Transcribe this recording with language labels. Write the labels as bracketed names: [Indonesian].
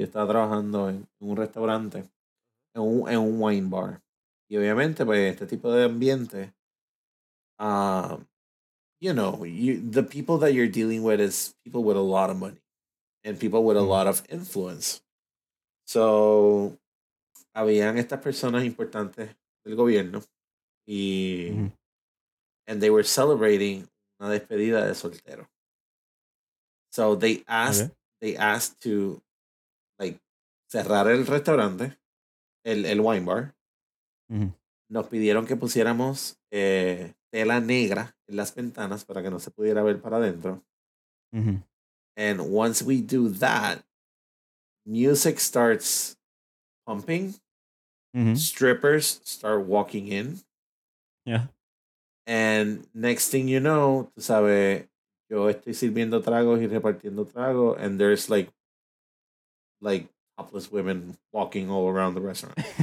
[Spanish] Yo estaba trabajando en un restaurante, en un wine bar. Y obviamente, pues, este tipo de ambiente... [English] the people that you're dealing with is people with a lot of money and people with a lot of influence. [Spanish] So, habían estas personas importantes del gobierno [English] and they were celebrating [Spanish] una despedida de soltero. [English] So, they asked to, like, [Spanish] cerrar el restaurante, el wine bar. Nos pidieron que pusiéramos... tela negra en las ventanas para que no se pudiera ver para adentro. [English] And once we do that, music starts pumping. Strippers start walking in. Yeah. And next thing you know, [Spanish] tú sabes, yo estoy sirviendo tragos y repartiendo tragos, [English] and there's like topless women walking all around the restaurant.